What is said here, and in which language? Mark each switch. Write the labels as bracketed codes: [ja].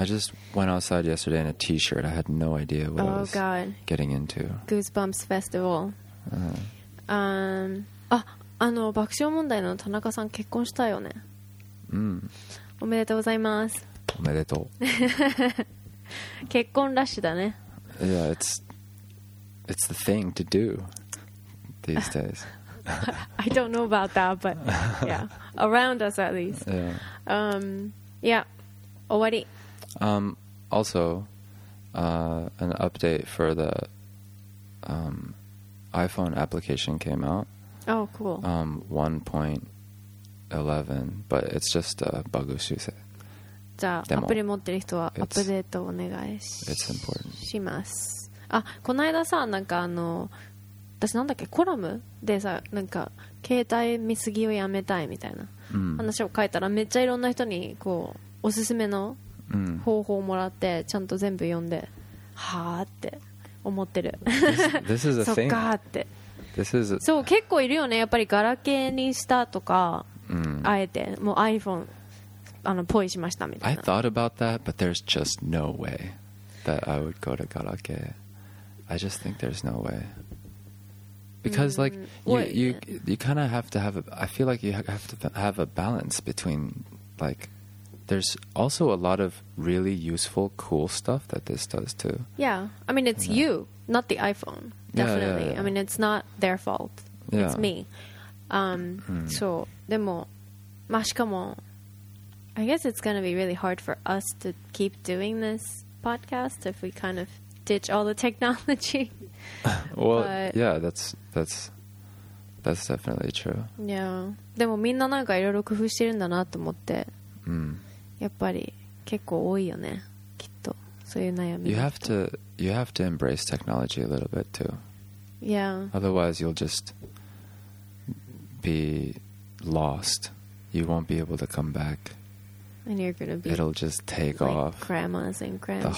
[en] I just went outside yesterday in a t-shirt. I had no idea what、 oh, I was、 God. getting into. [ja] Goosebumps Festival、あの爆笑問題の田中さん結婚したよね。うん。おめでとうございます。おめでとう。結婚ラッシュだね。 [en] Yeah, it's the thing to do these days. I don't know about that, but yeah, around us at least. Yeah. Yeah. [ja] 終わり。 [en] Also, an update for the iPhone application came out. Oh, cool. 1.11, but it's just a bug issue. [ja] じゃあ、アプリ持ってる人はアップデートお願いします。 [en] It's important. [ja] あ、この間さ、なんかあの、私なんだっけ、コラムでさ、なんか、携帯見すぎをやめたいみたいな話を書いたら、めっちゃいろんな人にこう、おすすめの方法をもらって、ちゃんと全部読んで、はぁって思ってる。 [en] This is a thing. [ja] そっかーって。 [en] This is [ja] そう結構いるよねやっぱりガラケーにしたとか、あえてもう iPhone あのポイしましたみたいな。 [en] I thought about that, but there's just no way that I would go to ガラケー。I just think there's no way because like you kind of have to have a I feel like you have to have a balance between like there's also a lot of really useful cool stuff that this does too. Yeah, I mean it's you, not the iPhone. Definitely. Yeah, yeah, yeah. I mean, it's not their fault. Yeah. It's me. So, [ja] でも、まあ、しかも、 [en] I guess it's going to be really hard for us to keep doing this podcast if we kind of ditch all the technology. Well, But, yeah, that's definitely true. Yeah. [ja] でもみんななんかいろいろ工夫してるんだなと思って、やっぱり結構多いよね。 [en] You have to embrace technology a little bit too. Yeah. Otherwise, you'll just be lost. You won't be able to come back. And you're gonna be. It'll just take like off. Grandmas and grandpas.